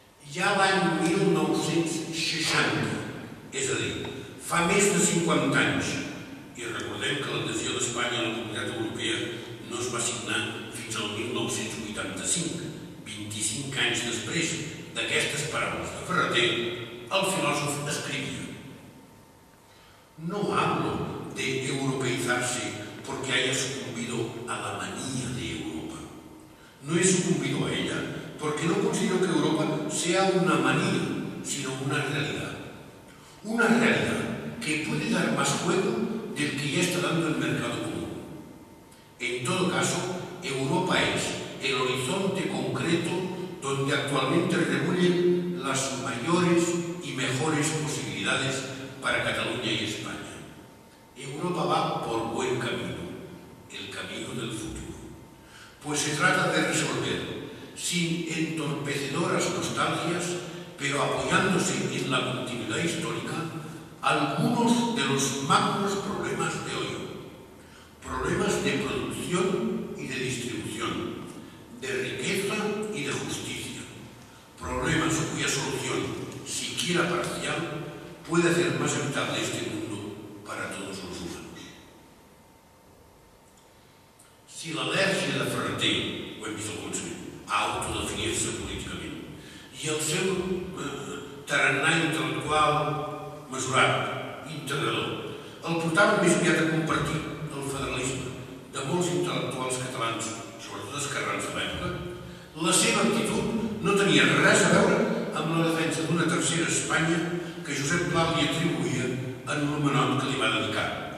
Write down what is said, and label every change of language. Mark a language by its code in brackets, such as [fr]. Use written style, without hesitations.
[ca] Ja l'any 1960, és a dir, fa més de 50 anys, i recordem que l'adhesió d'Espanya a la Comunitat Europea no es va signar fins al 1985, 25 anys després d'aquestes paraules de Ferrater, el filòsof escrivia: [es] no hablo de europeizarse porque haya sucumbido a la manía de Europa. No he sucumbido a ella porque no considero que Europa sea una manía, sino una realidad. Una realidad que puede dar más juego del que ya está dando el mercado común. En todo caso, Europa es el horizonte concreto donde actualmente rebullen las mayores y mejores posibilidades para Cataluña y España. Europa va por buen camino, el camino del futuro. Pues se trata de resolver, sin entorpecedoras nostalgias, pero apoyándose en la continuidad histórica, algunos de los macros problemas de hoy. Problemas de producción y de distribución, de riqueza y de justicia. Problemas cuya solución, siquiera parcial, puede hacer más habitable este mundo para todos los humanos. [ca] Si la alergia de Ferrater, ho hem vist al Consell, a autodefinir-se políticament, i el seu tarannà intel·lectual mesurat, integrador, el portava més aviat a compartir el federalisme de molts intel·lectuals catalans, sobretot esquerrans de l'època, la seva actitud no tenia res a veure amb la defensa d'una tercera Espanya que Josep Pla li atribuïa en l'homenot que li va dedicar.